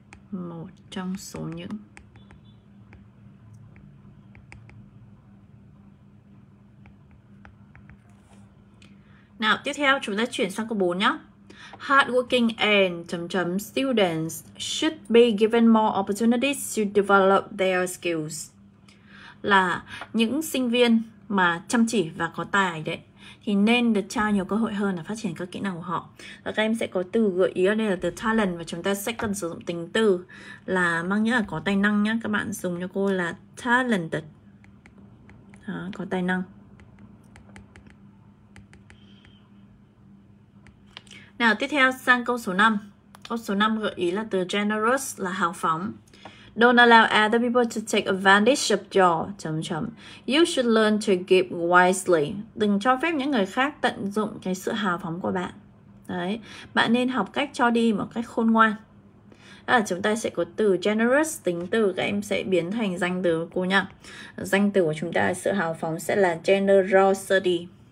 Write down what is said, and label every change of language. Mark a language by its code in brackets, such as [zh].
[vi] Một trong số những. Nào, tiếp theo chúng ta chuyển sang câu 4 nhé. [en] Hardworking and [vi] chấm chấm [en] students should be given more opportunities to develop their skills. [vi] Là những sinh viên mà chăm chỉ và có tài đấy thì nên được trao nhiều cơ hội hơn là phát triển các kỹ năng của họ. Và các em sẽ có từ gợi ý ở đây là từ talent, và chúng ta sẽ cần sử dụng tính từ là mang nghĩa là có tài năng nhé. Các bạn dùng cho cô là talented. Đó, có tài năng. Nào tiếp theo sang câu số 5. Câu số 5 gợi ý là từ generous là hào phóng. [en] Don't allow other people to take advantage of your [vi] chấm chấm. [en] You should learn to give wisely. [vi] Đừng cho phép những người khác tận dụng cái sự hào phóng của bạn. Đấy, bạn nên học cách cho đi một cách khôn ngoan. À, chúng ta sẽ có từ generous tính từ, các em sẽ biến thành danh từ cô nhá. Danh từ của chúng ta sự hào phóng sẽ là generosity.